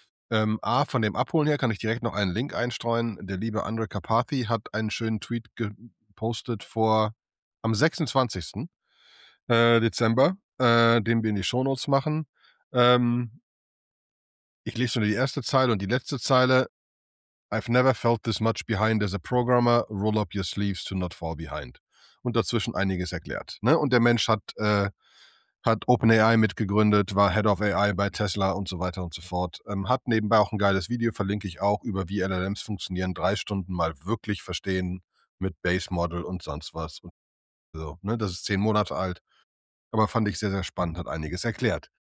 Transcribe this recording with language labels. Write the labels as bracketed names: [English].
[German] Von dem Abholen her kann ich direkt noch einen Link einstreuen. Der liebe Andre Carpathy hat einen schönen Tweet gepostet am 26. Dezember, den wir in die Shownotes machen. Ich lese nur die erste Zeile und die letzte Zeile. [English] I've never felt this much behind as a programmer. Roll up your sleeves to not fall behind. [German] Und dazwischen einiges erklärt. Ne? Und der Mensch hat OpenAI mitgegründet, war Head of AI bei Tesla und so weiter und so fort. Hat nebenbei auch ein geiles Video, verlinke ich auch, über wie LLMs funktionieren. 3 Stunden mal wirklich verstehen mit Base Model und sonst was. Und so, ne? Das ist 10 Monate alt. Aber fand ich sehr, sehr spannend, hat einiges erklärt.